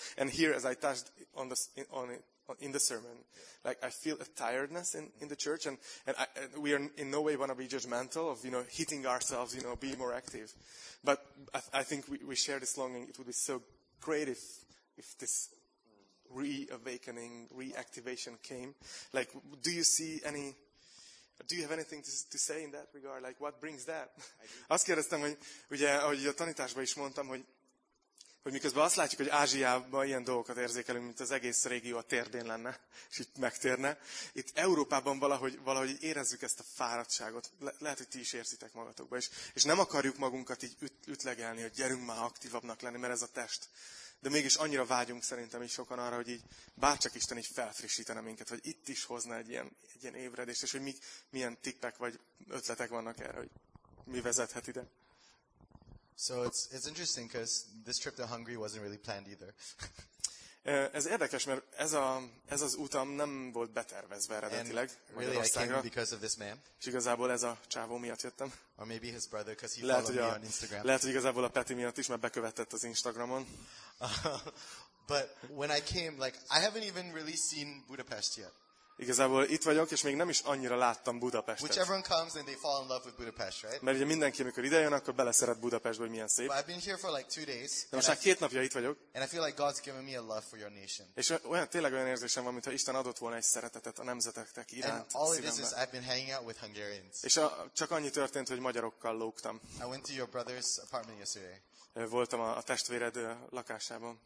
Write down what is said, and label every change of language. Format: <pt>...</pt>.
<en>And here, as I touched in the sermon, like I feel a tiredness in the church, and we are in no way want to be judgmental of, you know, hitting ourselves, you know, be more active. But I think we share this longing. It would be so great if this reawakening, reactivation came. Like, do you see any? Do you have anything to say in that regard? Like, what brings that?</en> <hu>Azt kérdeztem, hogy ugye, ahogy a tanításban is mondtam, hogy miközben azt látjuk, hogy Ázsiában ilyen dolgokat érzékelünk, mint az egész régió a térdén lenne, és itt megtérne. Itt Európában valahogy érezzük ezt a fáradtságot. Lehet, hogy ti is érzitek magatokba. És nem akarjuk magunkat így ütlegelni, hogy gyerünk már aktívabbnak lenni, mert ez a test. De mégis annyira vágyunk szerintem is sokan arra, hogy így bárcsak Isten így felfrissítene minket, hogy itt is hozna egy ilyen ébredést, és hogy milyen tippek vagy ötletek vannak erre, hogy mi vezethet ide.</hu> <en>So it's interesting, because this trip to Hungary wasn't really planned either.</en> <hu>Ez érdekes, mert ez az utam nem volt betervezve eredetileg.</hu> <en>And really, I came because of this man.</en> <hu>És igazából ez a csávó miatt jöttem.</hu> <en>Or maybe his brother, because he followed me on Instagram.</en> <hu>Lehet, hogy igazából a Peti miatt is, mert bekövetett az Instagramon.</hu> <en>But when I came, like, I haven't even really seen Budapest yet.</en> <hu>Igazából itt vagyok, és még nem is annyira láttam Budapestet.</hu> <en>Which everyone comes and they fall in love with Budapest, right?</en> <hu>Mert ugye mindenki, amikor ide jön, akkor beleszeret Budapestbe, hogy milyen szép.</hu> <en>But I've been here for like 2 days.</en> <hu>De most már két napja itt vagyok.</hu> <en>And I feel like God's given me a love for your nation.</en> <hu>És olyan, tényleg olyan érzésem van, mintha Isten adott volna egy szeretetet a nemzeteknek iránt.</hu> <en>And all it is I've been hanging out with Hungarians.</en> <hu>És csak annyi történt, hogy magyarokkal lógtam.</hu> <en>I went to your brother's apartment yesterday.</en> <hu>Voltam a testvéred lakásában.</hu>